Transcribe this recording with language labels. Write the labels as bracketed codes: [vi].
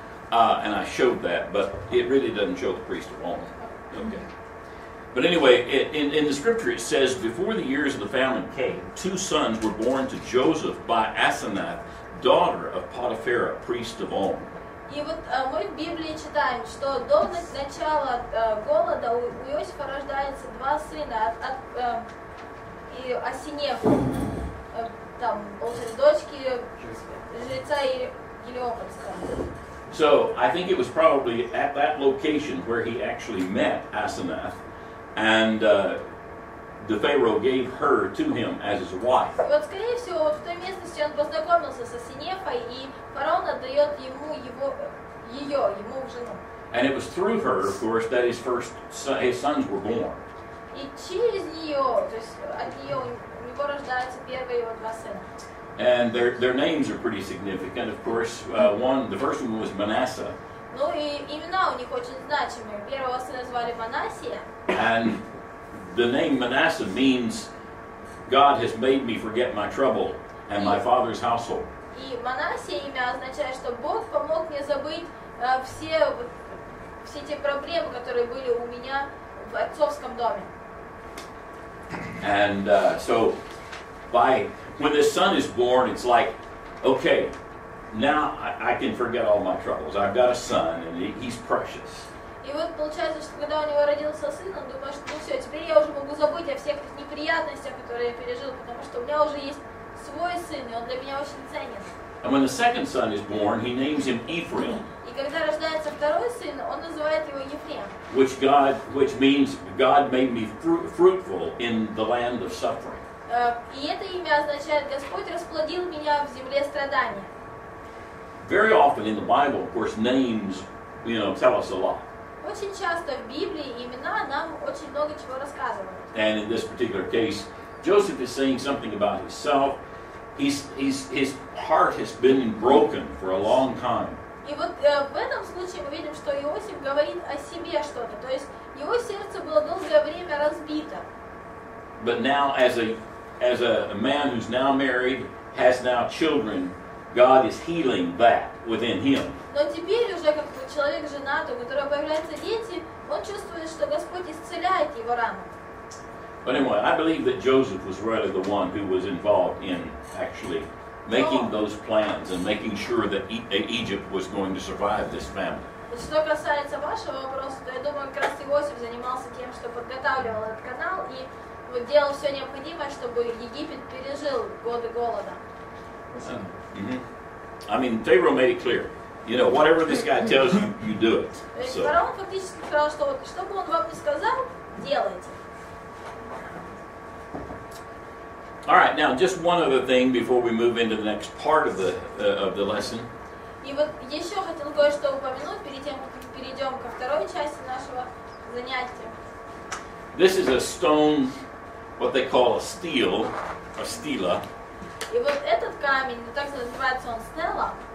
[en] And I showed that, but it really doesn't show the priest of On. Okay. But anyway, in the scripture it says, before the years of the famine came, two sons were born to Joseph by Asenath, daughter of Potipharah, priest of On. [ru] И вот мы в Библии читаем, что до начала голода у Иосифа рождается два сына от Осинеху, там, получается, дочки жреца Гелиопольского. [en] So, I think it was probably at that location where he actually met Asenath, and the Pharaoh gave her to him as his wife. [ru] Вот, скорее всего, вот в той местности он познакомился с Осинефой, и фараон отдает ему ее в жену. [en] And it was through her, of course, that his sons were born. [ru] И через нее, то есть от нее, у него рождаются первые его два сына. [en] And their names are pretty significant, of course. The first one was Manasseh. [ru] Ну и имена у них очень значимые. Первого сына звали Манассия. [en] And the name Manasseh means God has made me forget my trouble and my father's household. [ru] И Манассия имя означает, что Бог помог мне забыть все те проблемы, которые были у меня в отцовском доме. [en] And so by when this son is born, it's like, okay, now I can forget all my troubles. I've got a son, and he's precious. [ru] И вот получается, что когда у него родился сын, он думает, что ну все, теперь я уже могу забыть о всех неприятностях, которые я пережил, потому что у меня уже есть свой сын, и он для меня очень ценен. [en] And when the second son is born, he names him Ephraim. [ru] И когда рождается второй сын, он называет его Ефрем. [en] Which God, which means God made me fruitful in the land of suffering. [ru] И это имя означает, Господь расплодил меня в земле страдания. [en] Very often in the Bible, of course, names, you know, tell us a lot. [ru] Очень часто в Библии имена нам очень много чего рассказывают. [en] And in this particular case, Joseph is saying something about himself. His heart has been broken for a long time. [ru] И вот в этом случае мы видим, что Иосиф говорит о себе что-то. То есть его сердце было долгое время разбито. [en] But now, as a man who's now married, has now children, God is healing that within him. [ru] Но теперь уже как бы человек женат, у которого появляются дети, он чувствует, что Господь исцеляет его раны. [en] But anyway, I believe that Joseph was really the one who was involved in actually making those plans and making sure that Egypt was going to survive this famine. [ru] Что касается вашего вопроса, то я думаю, как раз Иосиф занимался тем, что подготавливал этот канал и делал все необходимое, чтобы Египет пережил годы голода. [en] I mean, Pharaoh made it clear. You know, whatever this guy tells you, you do it. [ru] Фараон фактически сказал, что вот, что бы он вам ни сказал, делайте. [en] All right, now just one other thing before we move into the next part of the lesson. [ru] И вот еще хотел кое-что упомянуть перед тем, как перейдем ко второй части нашего занятия. [en] This is a stone, what they call a steel, a stela. [ru] И вот этот камень, так называется он стела.